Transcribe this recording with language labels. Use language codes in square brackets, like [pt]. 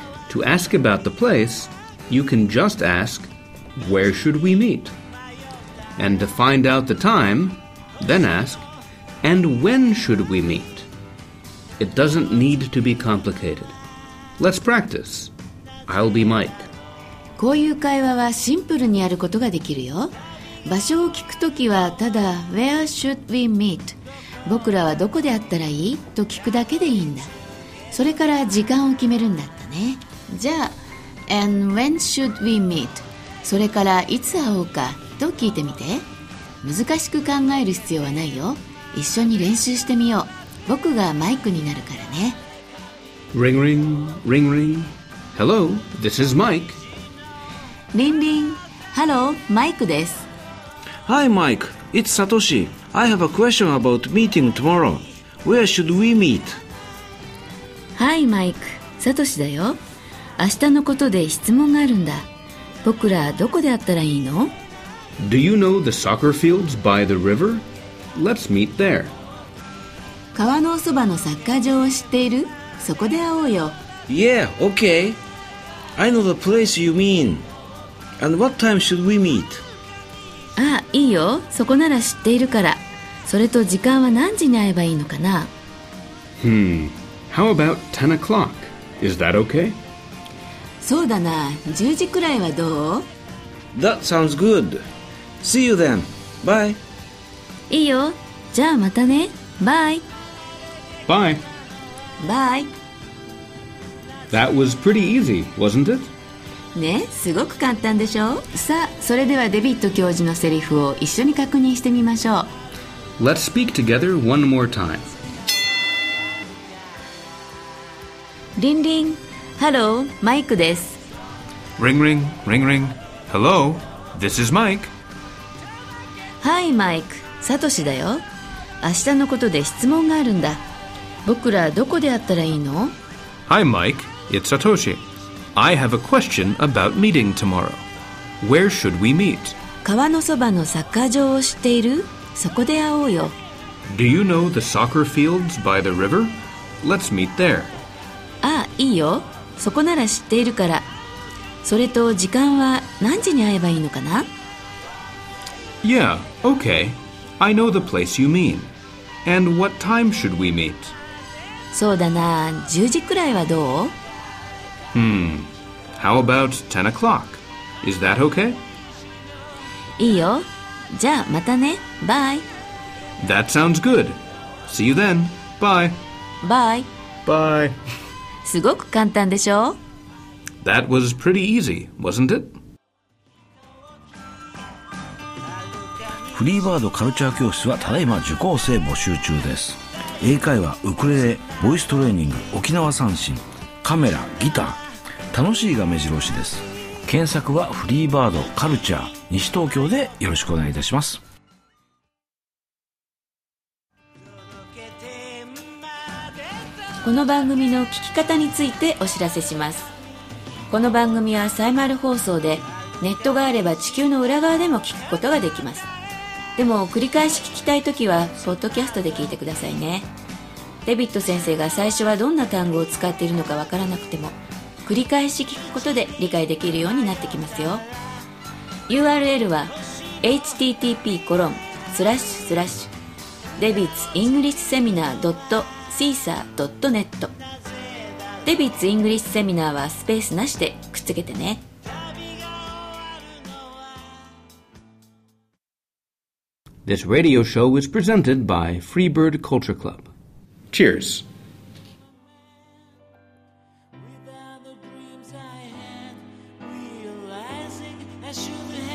[en] To ask about the place, you can just ask, "Where should we meet?" And to find out the time,Then ask, and when should we meet? It doesn't need to be complicated. Let's practice. I'll be Mike. [ja] こういう会話はシンプルにやることができるよ。場所を聞くときはただ [en] Where should we meet? [ja] 僕らはどこで会ったらいい?と聞くだけでいいんだ。それから時間を決めるんだったね。 [en] じゃあ And when should we meet? [ja] それからいつ会おうかと聞いてみて。難しく考える必要はないよ。一緒に練習してみよう。僕がマイクになるからね。 [en] Ring ring, ring ring. Hello, this is Mike. Ring ring. Hello, Mike です。 Hi, Mike. It's Satoshi. I have a question about meeting tomorrow. Where should we meet? [ja] Hi, Mike. Satoshi だよ。明日のことで質問があるんだ。僕らどこで会ったらいいの？ [en] Do you know the soccer fields by the river? Let's meet there. [ja] 川のそばのサッカー場を知っている？そこで会おうよ。 [en] Yeah, okay. I know the place you mean. And what time should we meet? [ja] あ、いいよ。そこなら知っているから。それと時間は何時に会えばいいのかな？ [en] How about 10 o'clock? Is that okay? [ja] そうだな。10時くらいはどう？ [en] That sounds good. See you then. Bye. [ja] いいよ。じゃあまたね。Bye. [en] Bye. Bye. That was pretty easy, wasn't it? [ja] ね、すごく簡単でしょう。さあ、それではデビッド教授のセリフを一緒に確認してみましょう。 [en] Let's speak together one more time. Ring ring. Hello, Mike です。 Ring ring, ring ring. Hello, this is Mike. [ja] はい、マイク。サトシだよ。明日のことで質問があるんだ。僕らどこで会ったらいいの？ [en] Hi, Mike. It's Satoshi. I have a question about meeting tomorrow. Where should we meet? [ja] 川のそばのサッカー場を知っている？そこで会おうよ。 [en] Do you know the soccer fields by the river? Let's meet there. [ja] あ、いいよ。そこなら知っているから。それと時間は何時に会えばいいのかな？ [en] Yeah, okay. I know the place you mean. And what time should we meet? [ja] そうだな、10時くらいはどう？ [en] How about 10 o'clock? Is that okay? [ja] いいよ。じゃあまたね。Bye. [en] That sounds good. See you then. Bye. Bye. Bye. [ja] すごく簡単でしょう? [en] That was pretty easy, wasn't it? [ja] フリーバードカルチャー教室はただいま受講生募集中です。英会話、ウクレレ、ボイストレーニング、沖縄三線、カメラ、ギター、楽しいが目白押しです。検索はフリーバードカルチャー西東京でよろしくお願いいたします。この番組の聞き方についてお知らせします。この番組はサイマル放送で、ネットがあれば地球の裏側でも聞くことができます。でも繰り返し聞きたいときはポッドキャストで聞いてくださいね。デビッド先生が最初はどんな単語を使っているのかわからなくても、繰り返し聞くことで理解できるようになってきますよ。 URL は http://debitsenglishseminar.caesar.net。デビッツイングリッシュセミナーはスペースなしでくっつけてね。 [en] This radio show was presented by Freebird Culture Club. Cheers. Without the dreams I had, realizing I should